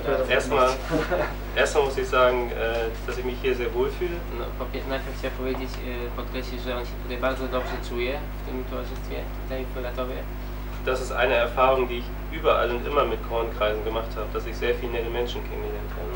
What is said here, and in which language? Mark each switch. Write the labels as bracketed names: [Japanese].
[German] Erstmal muss ich sagen, dass ich mich hier sehr wohl fühle. [Polish] No, najpierw chciałem podkreślić, że on się tutaj bardzo dobrze czuje w tym towarzystwie, tutaj w Latowie. [German] das ist eine Erfahrung, die ich überall und immer mit Kornkreisen gemacht habe, dass ich sehr viele nette Menschen kennengelernt habe.